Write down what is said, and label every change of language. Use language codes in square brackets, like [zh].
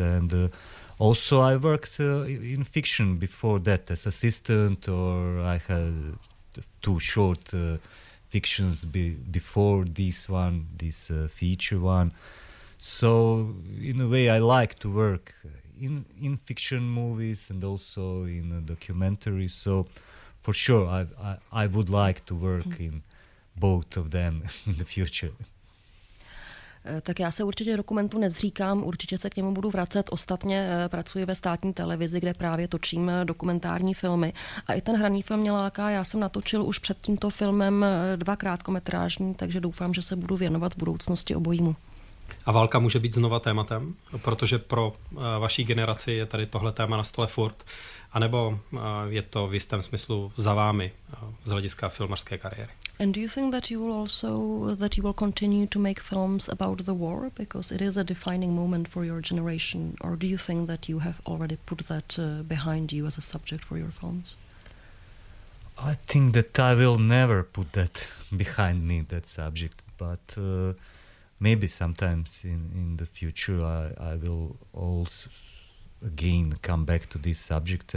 [en] And also, I worked in fiction before that as assistant, or I had two short fictions before this one, this feature one. So, in a way, I like to work in fiction movies and also in documentaries, so for sure I would like to work in both of them in the future. [cs] Tak já se určitě dokumentu nezříkám, určitě se k němu budu vracet. Ostatně pracuji ve státní televizi, kde právě točím dokumentární filmy. A i ten hraný film mě láká. Já jsem natočil už před tímto filmem dva krátkometrážní, takže doufám, že se budu věnovat v budoucnosti obojímu. A válka může být znova tématem, protože pro vaší generaci je tady tohle téma na stole furt, anebo je to v jistém smyslu za vámi z hlediska filmařské kariéry? [en] And do you think that you will also, that you will continue to make films about the war, because it is a defining moment for your generation, or do you think that you have already put that behind you as a subject for your films? I think that I will never put that behind me, that subject, but maybe sometimes in the future I will also again come back to this subject.